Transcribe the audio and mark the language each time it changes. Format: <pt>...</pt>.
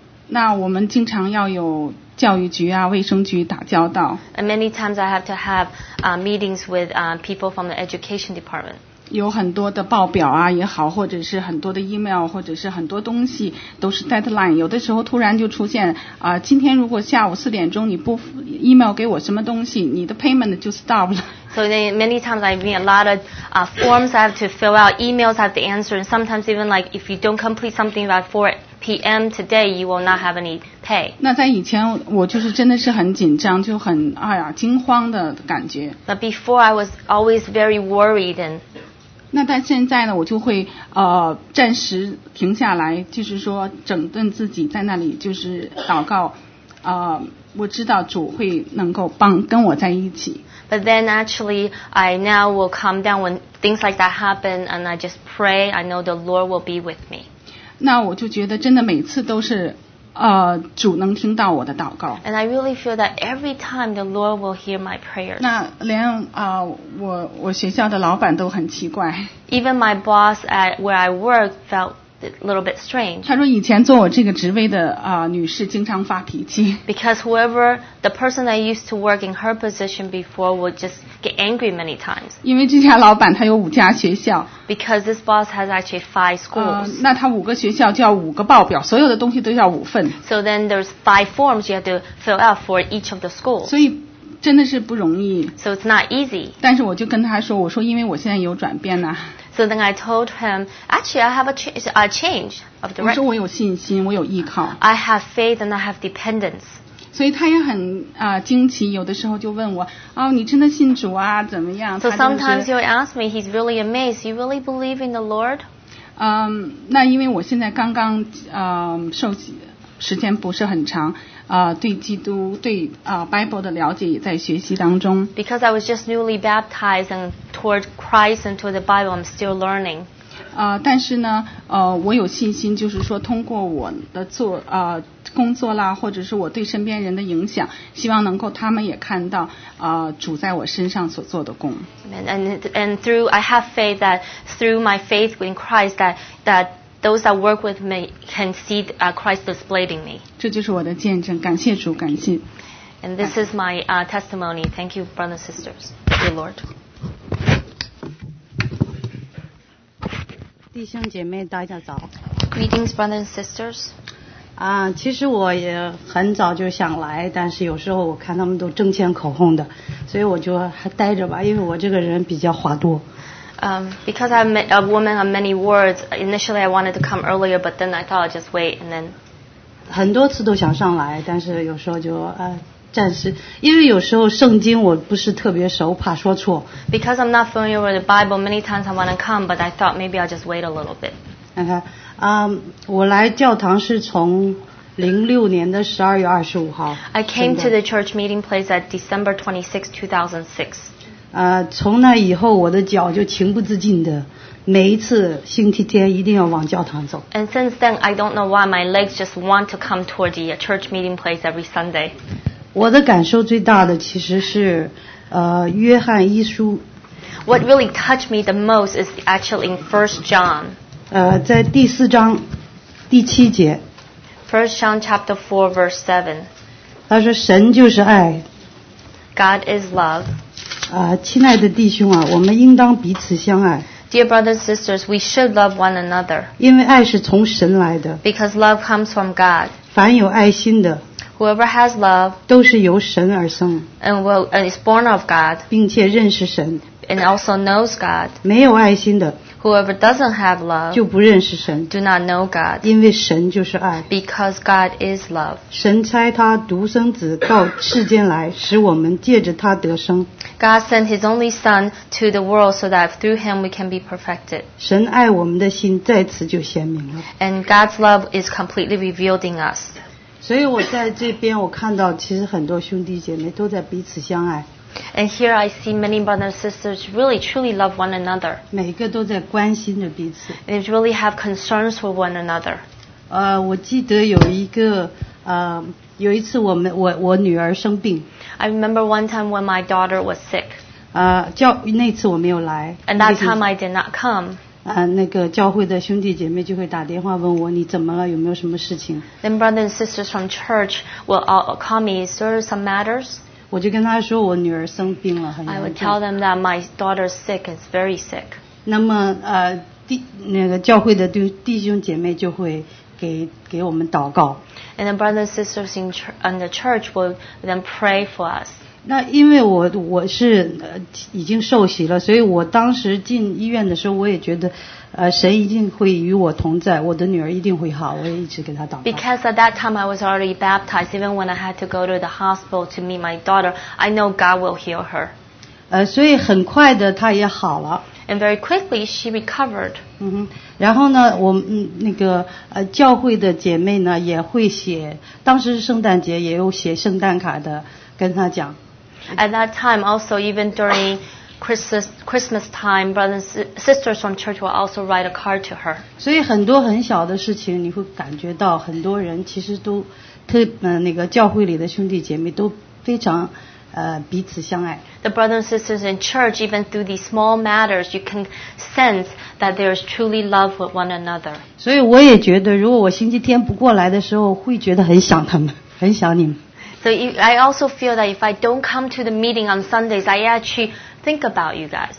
<zh>那我们经常要有教育局啊卫生局打交道。</zh> <en>And many times I have to have meetings with people from the education department.</en> <zh>有很多的报表啊也好，或者是很多的</zh> <en>email，</en> <zh>或者是很多东西都是</zh> <en>deadline，</en> <zh>有的时候突然就出现今天如果下午四点钟你不</zh> <en>email</en> <zh>给我什么东西，你的</zh> <en>payment</en> <zh>就</zh> <en>stop</en> <zh>了。</zh> <en>So then many times I meet a lot of forms I have to fill out, emails I have to answer, and sometimes even like if you don't complete something by 4 p.m. today, you will not have any pay.</en> <zh>那在以前我就是真的是很紧张，就很惊慌的感觉。</zh> <en>But before I was always very worried and.</en> <zh>那但现在呢，我就会暂时停下来，就是说整顿自己，在那里就是祷告，我知道主会能够帮跟我在一起。</zh> <en>But then actually, I now will calm down when things like that happen, and I just pray. I know the Lord will be with me.</en> <zh>那我就觉得真的每次都是，主能听到我的祷告。</zh> <en>And I really feel that every time the Lord will hear my prayers.</en> <zh>那连我学校的老板都很奇怪。</zh> <en>Even my boss at where I work felt little bit strange.</en> <zh>她说以前做我这个职位的啊、女士经常发脾气。</zh> <en>Because whoever the person that used to work in her position before would just get angry many times.</en> <zh>因为这家老板他有五家学校。</zh> <en>Because this boss has actually 5 schools.</en> <zh>那他五个学校就要五个报表，所有的东西都要五份。</zh> <en>So then there's 5 forms you have to fill out for each of the schools.</en> <zh>所以真的是不容易。</zh> <en>So it's not easy.</en> <zh>但是我就跟他说，我说因为我现在有转变了。</zh> <en>So then I told him, actually, I have a change of direction.</en> <zh>我说我有信心，我有依靠。</zh> <en>I have faith and I have dependence.</en> <zh>所以他也很惊奇，有的时候就问我，哦，你真的信主啊？怎么样？</zh> <en>So sometimes he'll ask me, he's really amazed. You really believe in the Lord?</en> <zh>那因为我现在刚刚受洗，时间不是很长。对基督对</zh> <en>Bible</en> <zh>的了解也在学习当中。</zh> <en>Because I was just newly baptized and toward Christ and toward the Bible, I'm still learning.</en> <zh>但是呢，我有信心，就是说通过我的工作啦，或者是我对身边人的影响，希望能够他们也看到主在我身上所做的工。</zh> <en>And through I have faith that through my faith in Christ that those that work with me can see Christ displayed in me.</en> <zh>这就是我的见证，感谢主，感谢。</zh> <en>And this is my testimony. Thank you, brothers and sisters. Thank you, Lord.</en> <zh>弟兄姐妹，大家早。</zh> <en>Greetings, brothers and sisters.</en> <zh>其实我也很早就想来，但是有时候我看他们都争先恐后的，所以我就还待着吧，因为我这个人比较话多。</zh> <en>Because I'm a woman of many words, initially I wanted to come earlier, but then I thought I'd just wait and then.</en> <zh>很多次都想上来，但是有时候就暂时，因为有时候圣经我不是特别熟，怕说错。</zh> <en>Because I'm not familiar with the Bible, many times I want to come, but I thought maybe I'll just wait a little bit.</en> <zh>Okay, 我来教堂是从06年的12月25号。</zh> <en>I came to the church meeting place at December 26, 2006.</en> <zh>从那以后我的脚就情不自禁的每一次星期天一定要往教堂走。</zh> <en>And since then I don't know why my legs just want to come toward the church meeting place every Sunday.</en> <zh>我的感受最大的其实是约翰一书。</zh> <en>What really touched me the most is actually in 1 John.</en> <zh>在第四章第七节。</zh> <en>1 John chapter 4 verse 7.</en> <zh>他说神就是爱。</zh> <en>God is love.</en> <zh>亲爱的弟兄啊，我们应当彼此相爱。</zh> <en>Dear brothers and sisters, we should love one another.</en> <zh>因为爱是从神来的。</zh> <en>Because love comes from God.</en> <zh>凡有爱心的。</zh> <en>Whoever has love.</en> <zh>都是由神而生。</zh> <en>And is born of God.</en> <zh>并且认识神。</zh> <en>And also knows God.</en> <zh>没有爱心的。</zh> <en>Whoever doesn't have love.</en> <zh>就不认识神。</zh> <en>Do not know God.</en> <zh>因为神就是爱。</zh> <en>Because God is love.</en> <zh>神差他独生子到世间来，使我们借着他得生。</zh> <en>God sent his only son to the world so that through him we can be perfected.</en> <zh>神爱我们的心在此就显明了。</zh> <en>And God's love is completely revealed in us.</en> <zh>所以我在这边我看到其实很多兄弟姐妹都在彼此相爱。</zh> <en>And here I see many brothers and sisters really truly love one another.</en> <zh>每个都在关心着彼此。</zh> <en>They really have concerns for one another.</en> <zh>我记得有一个有一次我女儿生病。</zh> <en>I remember one time when my daughter was sick.</en> <zh>那次我没有来。</zh> <en>And that time I did not come.</en> <zh>那个教会的兄弟姐妹就会打电话问我你怎么了，有没有什么事情。</zh> <en>Then brothers and sisters from church will all call me, is there some matters?</en> <zh>我就跟她说我女儿生病了，很严重。</zh> <en>I would tell them that my daughter is sick, is very sick.</en> <zh>那么那个教会的弟兄姐妹就会给我们祷告。</zh> <en>And the brothers and sisters in the church will then pray for us.</en> <zh>那因为我是已经受洗了，所以我当时进医院的时候，我也觉得，神一定会与我同在，我的女儿一定会好，我也一直给她祷告。</zh> <en>Because at that time I was already baptized, even when I had to go to the hospital to meet my daughter, I know God will heal her.</en> <zh>所以很快的她也好了。</zh> <en>And very quickly she recovered.</en> <zh>然后呢，我们那个教会的姐妹呢也会写，当时是圣诞节，也有写圣诞卡的跟她讲。</zh> <en>At that time, also even during Christmas time, brothers sisters from church will also write a card to her.</en> <zh>所以很多很小的事情，你会感觉到很多人其实都特那个教会里的兄弟姐妹都非常彼此相爱。</zh> <en>The brothers and sisters in church, even through these small matters, you can sense that there is truly love with one another.</en> <zh>所以我也觉得，如果我星期天不过来的时候，会觉得很想他们，很想你们。</zh> <en>So I also feel that if I don't come to the meeting on Sundays, I actually think about you guys.</en>